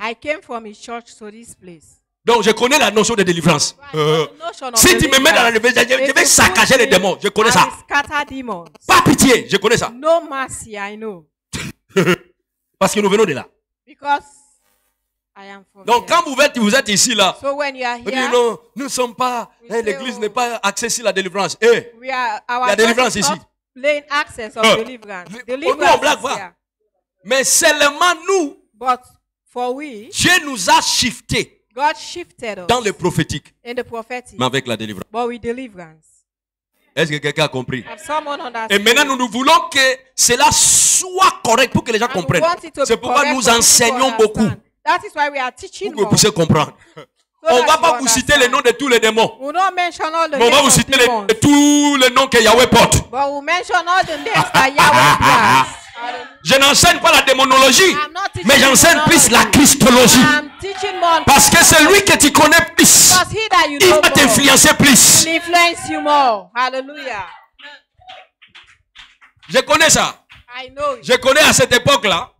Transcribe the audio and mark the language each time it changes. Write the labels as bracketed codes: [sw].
[en] I came from his church to this place. [fr] Donc, je connais la notion de délivrance. Si tu me mets dans la révélation, je vais saccager les démons. Je connais ça. [en] Scatter demons. [fr] Pas pitié, je connais ça. [en] No mercy, I know. [fr] Parce que nous venons de là. [en] Because [fr] donc quand vous êtes ici là, [en] so when you are here, [fr] vous dites, non, nous ne sommes pas, hey, l'église n'est pas accessible à la délivrance. Hey, il y a délivrance ici. Deliverance. Nous on blague pas. Mais seulement nous, [en] but for we, [fr] Dieu nous a shifté. [en] God shifted us [fr] dans le prophétique, [en] in the prophetic, [fr] mais avec la délivrance. [en] But with deliverance. [fr] Est-ce que quelqu'un a compris? [en] Have someone understood? [fr] Et maintenant, nous voulons que cela soit correct pour que les gens [en] and [fr] comprennent. [en] We want it to [fr] c'est pourquoi [en] be [fr] nous enseignons beaucoup. [en] That is why we are teaching [fr] pour que vous puissiez comprendre. So on ne va pas vous citer les noms de tous les démons. [en] We'll not mention all the [fr] mais on va vous citer les, tous les noms que Yahweh porte. [en] But we'll mention all the names that Yahweh [fr] je n'enseigne pas la démonologie, mais j'enseigne plus la christologie. Parce que c'est lui que tu connais plus. Il va t'influencer plus. Hallelujah. Je connais ça. [en] I know [fr] je connais à cette époque-là.